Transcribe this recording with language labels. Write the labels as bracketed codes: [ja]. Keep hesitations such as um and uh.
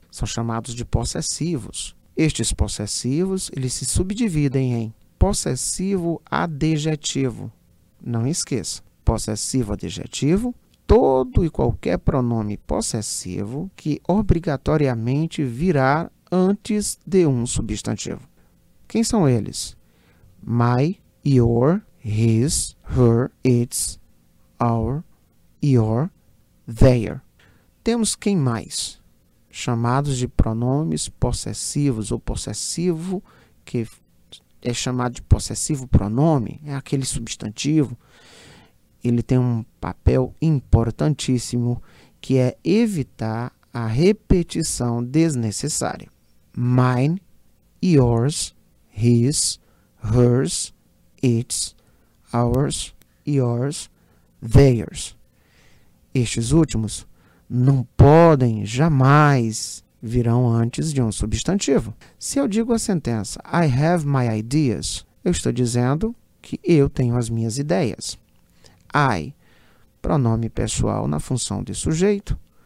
[pt] São chamados de possessivos. Estes possessivos, eles se subdividem em possessivo adjetivo. Não esqueça, possessivo adjetivo, todo e qualquer pronome possessivo que obrigatoriamente virá antes de um substantivo. Quem são eles? [en] My, your, his, her, its, our, your, their. [pt] Temos quem mais? Chamados de pronomes possessivos ou possessivo, que é chamado de possessivo pronome, é aquele substantivo. Ele tem um papel importantíssimo que é evitar a repetição desnecessária. [en] Mine, yours, his, hers, its, ours, yours, theirs. [pt] Estes últimos não podem jamais virão antes de um substantivo. Se eu digo a sentença [en] I have my ideas, [pt] eu estou dizendo que eu tenho as minhas ideias. I, pronome pessoal na função de sujeito.